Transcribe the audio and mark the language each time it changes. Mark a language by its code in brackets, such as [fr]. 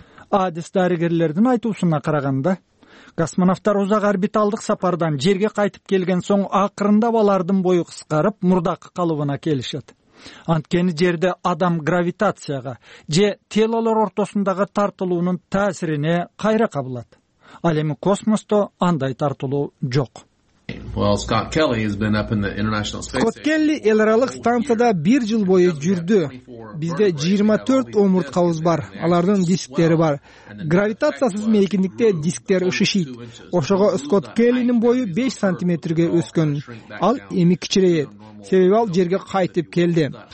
[ky] Адис дарыгерлердин айтуусуна караганда, космонавтар узак орбиталдык сапардан жерге кайтып келген соң акырындап алардын бою кыскарып, мурдакы калыбына келишет. Анткени жерде адам гравитацияга же телолор ортосундагы тартылуунун таасирине кайра кабылат. Ал эми космосто андай тартылуу жок. [en] Well, Scott Kelly has been up in the International Space Station. [ky] Scott Kelly эл аралык станцияда бир жыл бою жүрдү. Бизде 24 омурткабыз бар. Алардын дисктери бар. Гравитациясыз мейкиндикте дисктер ушушуйт. Ошого Scott Kelly'nin бою 5 сантиметрге өскөн. Ал эми кичирейет. Себеби ал жерге кайтып келди.